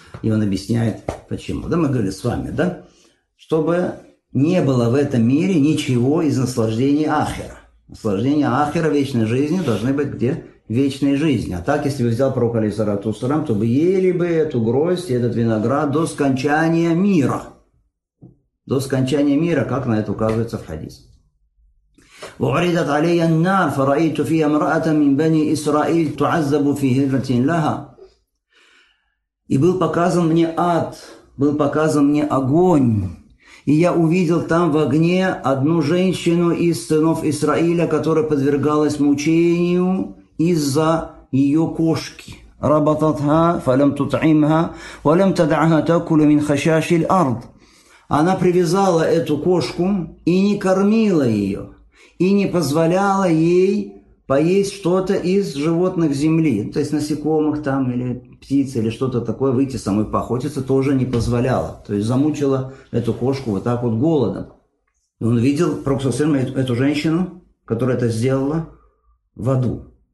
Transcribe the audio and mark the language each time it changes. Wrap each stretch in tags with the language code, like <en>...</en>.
<ru>И он объясняет, почему. Да, мы говорили с вами, да? Чтобы не было в этом мире ничего из наслаждений ахера. Наслаждения ахера вечной жизни должны быть где? В вечной жизни. А так, если бы взял Пророк алейхиссалату вассалям, то бы ели бы эту гроздь, этот виноград до скончания мира. До скончания мира, как на это указывается в хадисе.</ru> <ar>وعرضت علي النار فرأيت فيها امرأة من بني إسرائيل تعذب في هجرة لها.</ar> <ru>И был показан мне ад, был показан мне огонь, и я увидел там в огне одну женщину из сынов Израиля, которая подвергалась мучению из-за ее кошки.</ru> <ar>ربطتها فلم تطعمها ولم تدعها تأكل من خشاش الأرض.</ar> <ru>Она привязала эту кошку и не кормила ее. И не позволяла ей поесть что-то из животных земли. То есть насекомых там, или птиц, или что-то такое, выйти самой поохотиться тоже не позволяла. То есть замучила эту кошку вот так вот голодом. И он видел, Пророк саллаллаху алейхи ва саллям, эту женщину, которая это сделала, в аду.</ru>